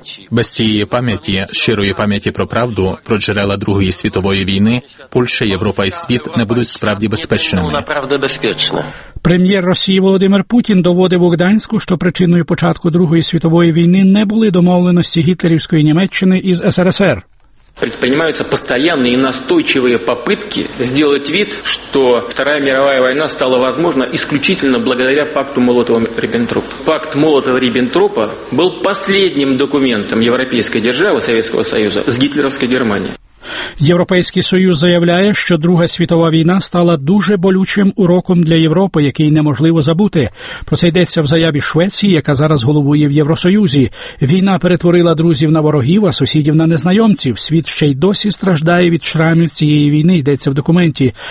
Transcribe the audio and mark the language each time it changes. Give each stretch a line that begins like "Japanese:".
Ukrainian: Без цієї пам'яті, щирої пам'яті про правду, про джерела Другої світової війни, Польща, Європа і світ не будуть справді безпечними. Прем'єр Росії Володимир Путін доводив у Гданську, що причиною початку Другої світової війни не були домовленості гітлерівської Німеччини із СРСР.
Russian: Предпринимаются постоянные и настойчивые попытки сделать вид, что Вторая мировая война стала возможна исключительно благодаря пакту Молотова-Риббентропа. Пакт Молотова-Риббентропа был последним документом Европейской державы Советского Союза с гитлеровской Германией.
Ukrainian: Європейський Союз заявляє, що Друга світова війна стала дуже болючим уроком для Європи, який неможливо забути. Про це йдеться в заяві Швеції, яка зараз головує в Євросоюзі. Війна перетворила друзів на ворогів, а сусідів на незнайомців. Світ ще й досі страждає від шрамів цієї війни, йдеться в документі.